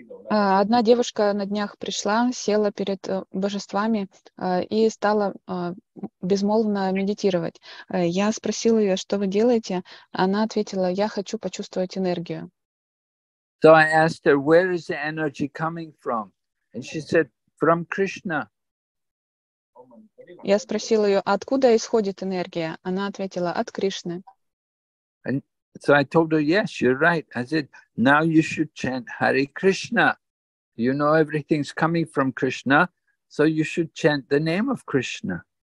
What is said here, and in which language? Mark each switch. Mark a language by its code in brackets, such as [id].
[ru] Одна девушка на днях пришла, села перед божествами и стала безмолвно медитировать. Я спросила ее, что вы делаете? Она ответила, я хочу почувствовать энергию. [en] So I asked her, where is the energy coming from? And she said, from Krishna. [ru] Я спросил ее, откуда исходит энергия? Она ответила, от Кришны. [en] And so I told her, yes, you're right. I said, now you should chant Hare Krishna. You know everything's coming from Krishna, so you should chant the name of Krishna.